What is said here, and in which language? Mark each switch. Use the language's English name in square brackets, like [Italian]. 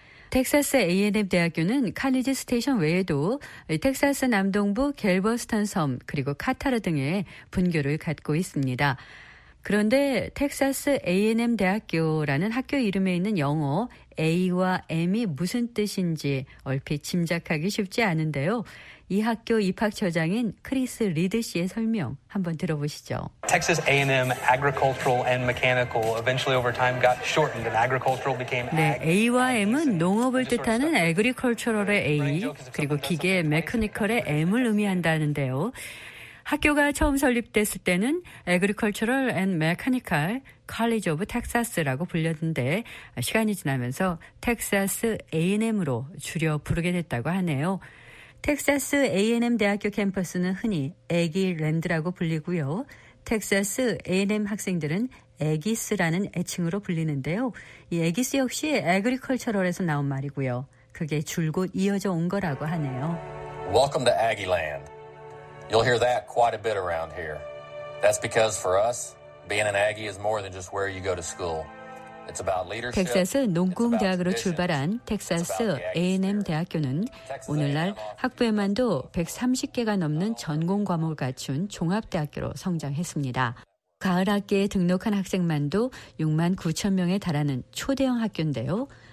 [Korean] 텍사스 A&M 대학교는 칼리지 스테이션 외에도 텍사스 남동부 갤버스턴 섬 그리고 카타르 등의 분교를 갖고 있습니다. 그런데 텍사스 A&M 대학교라는 학교 이름에 있는 영어 A와 M이 무슨 뜻인지 얼핏 짐작하기 쉽지 않은데요. 이 학교 입학처장인 크리스 리드 씨의 설명 한번 들어보시죠. [English] Texas A&M Agricultural and Mechanical eventually over time got shortened and agricultural became ag. [Korean] 네, A와 M은 농업을 뜻하는 agricultural의 A 그리고 기계 mechanical의 M을 의미한다는데요. 학교가 처음 설립됐을 때는 Agricultural and Mechanical College of Texas라고 불렸는데 시간이 지나면서 Texas A&M으로 줄여 부르게 됐다고 하네요. 텍사스 A&M 대학교 캠퍼스는 흔히 애기랜드라고 불리고요. 텍사스 A&M 학생들은 애기스라는 애칭으로 불리는데요. 이 애기스 역시 애그리컬처럴에서 나온 말이고요. 그게 줄곧 이어져 온 거라고 하네요. [English] Welcome to Aggieland. You'll hear that quite a bit around here. That's because for us, being an Aggie is more than just where you go to school. [Korean] 텍사스 농공대학으로 출발한 텍사스 A&M 대학교는 오늘날 학부에만도 130개가 넘는 전공 과목을 갖춘 종합대학교로 성장했습니다. 가을 학기에 등록한 학생만도 6만 9천 명에 달하는 초대형 학교인데요.